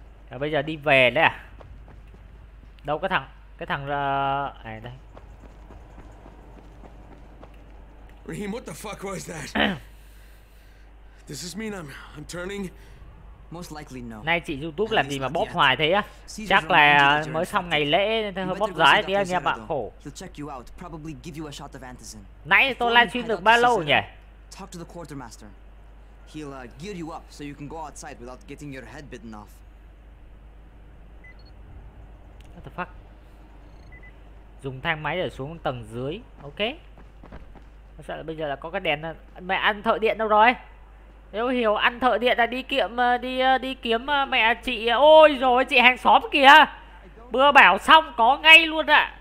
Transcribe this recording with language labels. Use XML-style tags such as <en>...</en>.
<vi>Rồi bây giờ đi về đấy à? Đâu có thằng, này đây.</vi> <en>Raheem, what the fuck was that? Does this mean I'm turning? Most likely no.</en> <vi>Này chị YouTube làm gì mà bóp hoài thế á? Chắc là mới xong ngày lễ nên hơi bóp dài đi anh em ạ, khổ.</vi> <en>He'll check you out, probably give you a shot of antizin.</en> <vi>Nãy tôi livestream được bao lâu nhỉ?</vi> <en>Talk to the quartermaster. He'll gear you up so you can go outside without getting your head bitten off. What the fuck?</en> <vi>Dùng thang máy để xuống tầng dưới. Ok. Sợ là bây giờ là có cái đèn là... Mẹ ăn thợ điện đâu rồi? Nếu hiểu ăn thợ điện là đi kiếm đi kiếm mẹ chị. Ôi rồi chị hàng xóm kìa. Bữa bảo xong có ngay luôn ạ.</vi>